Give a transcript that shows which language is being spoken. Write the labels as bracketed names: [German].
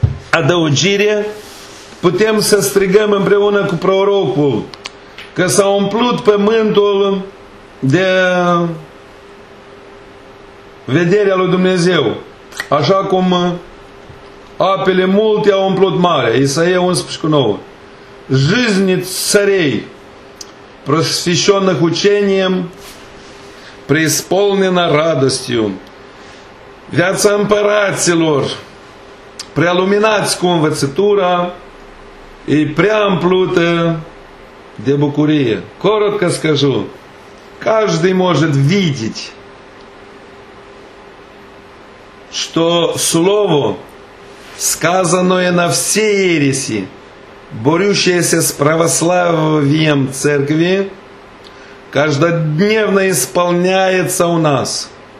[Romanian] adăugire, putem să strigăm împreună cu prorocul că s-a umplut pământul de vederea lui Dumnezeu, așa cum apele multe au umplut marea, Isaia 11:9. [Russian] Жизни царей, просвещенных учением, преисполнена радостью. [Romanian] Viața împăraților, prealuminați cu învățătura, e prea împlută de bucurie. [Russian] Коротко скажу, каждый может видеть, что слово, сказанное на все ереси, борющееся с православием церкви, каждодневно исполняется у нас.